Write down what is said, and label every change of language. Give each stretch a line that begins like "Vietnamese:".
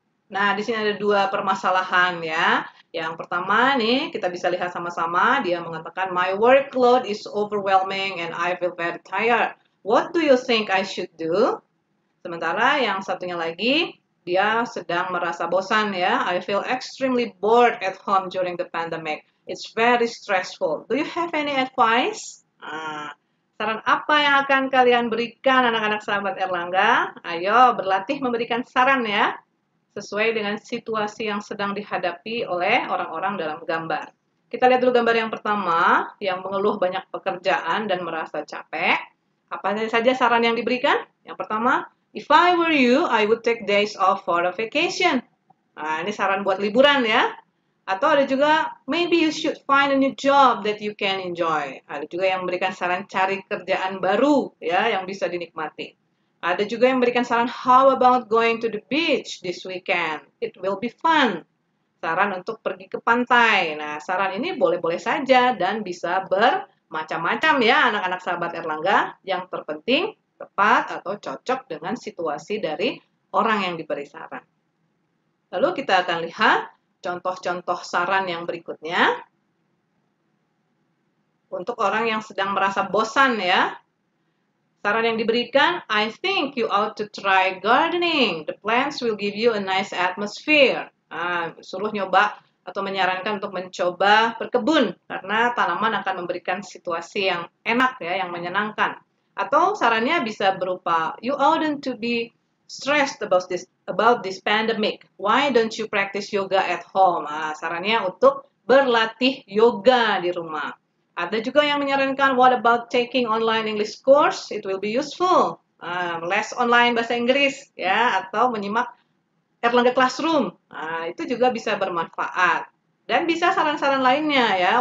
Indonesian: Nah, di sini ada dua permasalahan ya. Yang pertama nih, kita bisa lihat sama-sama dia mengatakan
English: my workload is overwhelming and I feel very tired. What do you think I should do?
Indonesian: Sementara yang satunya lagi dia sedang merasa bosan ya.
English: I feel extremely bored at home during the pandemic. It's very stressful. Do you have any advice?
Indonesian: Saran apa yang akan kalian berikan anak-anak sahabat Erlangga? Ayo berlatih memberikan saran ya, sesuai dengan situasi yang sedang dihadapi oleh orang-orang dalam gambar. Kita lihat dulu gambar yang pertama, yang mengeluh banyak pekerjaan dan merasa capek. Apa saja saran yang diberikan? Yang pertama,
English: if I were you, I would take days off for a vacation.
Indonesian: Nah, ini saran buat liburan ya. Atau ada juga,
English: maybe you should find a new job that you can enjoy.
Indonesian: Ada juga yang memberikan saran cari kerjaan baru ya yang bisa dinikmati. Ada juga yang memberikan saran,
English: how about going to the beach this weekend? It will be fun.
Indonesian: Saran untuk pergi ke pantai. Nah, saran ini boleh-boleh saja dan bisa bermacam-macam ya anak-anak sahabat Erlangga. Yang terpenting, tepat atau cocok dengan situasi dari orang yang diberi saran. Lalu kita akan lihat contoh-contoh saran yang berikutnya. Untuk orang yang sedang merasa bosan ya, Saran yang diberikan,
English: I think you ought to try gardening. The plants will give you a nice atmosphere.
Indonesian: Ah, suruh nyoba atau menyarankan untuk mencoba berkebun karena tanaman akan memberikan situasi yang enak ya, yang menyenangkan. Atau sarannya bisa berupa,
English: you oughtn't to be stressed about this pandemic. Why don't you practice yoga at home?
Indonesian: Ah, sarannya untuk berlatih yoga di rumah. Ada juga yang menyarankan,
English: what about taking online English course? It will be useful.
Indonesian: Les online bahasa Inggris, ya, atau menyimak Erlangga Classroom. Itu juga bisa bermanfaat. Dan bisa saran-saran lainnya, ya.